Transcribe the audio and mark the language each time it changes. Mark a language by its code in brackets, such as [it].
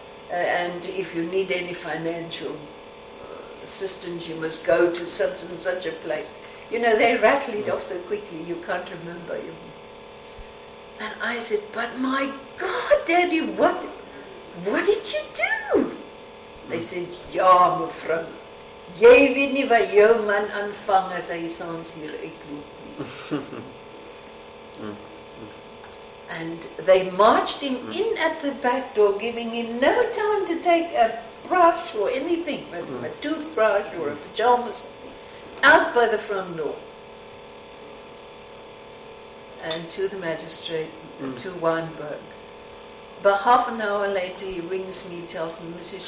[en] And if you need any financial assistance, you must go to such and such a place. You know, they rattled off so quickly you can't remember him. And I said, but my God, Daddy, what did you do? They said, [af] ja, mevrou, jy weet nie wat jou man aanvang as hy sans hier uitloop nie. [en] And they marched him in at the back door, giving him no time to take a brush or anything, a toothbrush or a pajama, something, out by the front door. And to the magistrate, to Weinberg. But half an hour later, he rings me, tells me, Mrs.